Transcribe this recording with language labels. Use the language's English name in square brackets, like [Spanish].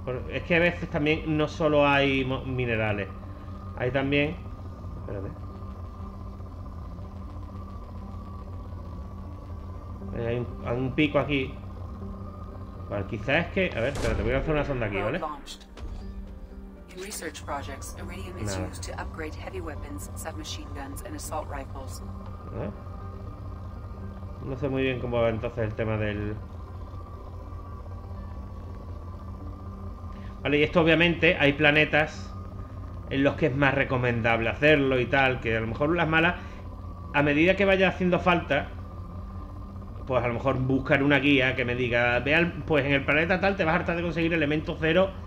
[Spanish] Es que a veces también no solo hay minerales. Hay también... Espérate. Hay un pico aquí. Vale, quizás es que... A ver, espérate, voy a hacer una sonda aquí, ¿vale? [English] In research projects, iridium is used to upgrade heavy weapons, submachine guns, and assault rifles. [Spanish] No sé muy bien cómo va entonces el tema del... Vale, y esto obviamente hay planetas en los que es más recomendable hacerlo y tal, que a lo mejor las malas, a medida que vaya haciendo falta, pues a lo mejor buscar una guía que me diga, ve al, pues en el planeta tal te vas a hartar de conseguir elemento cero.